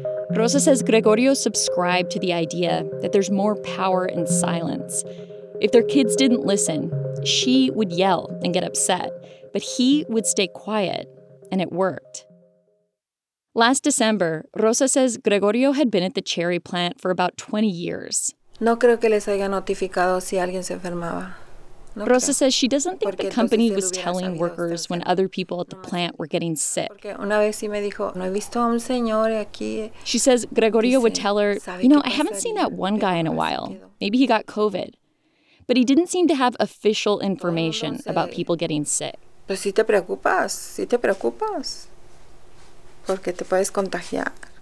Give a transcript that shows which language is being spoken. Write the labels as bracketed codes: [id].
[en] Rosa says Gregorio subscribed to the idea that there's more power in silence. If their kids didn't listen, she would yell and get upset, but he would stay quiet, and it worked. Last December, Rosa says Gregorio had been at the cherry plant for about 20 years. [es] No creo que les haya notificado si alguien se enfermaba. No Rosa creo. [en] Says she doesn't think [es] Porque [en] the company was telling workers when other people at the plant were getting sick. [es] Una vez sí me dijo, no he visto a un señor aquí. [en] She says Gregorio would tell her, you know, I haven't seen that one guy in a while. Maybe he got COVID. But he didn't seem to have official information about people getting sick. [es] Pues si te preocupas, si te preocupas. Porque te puedes contagiar.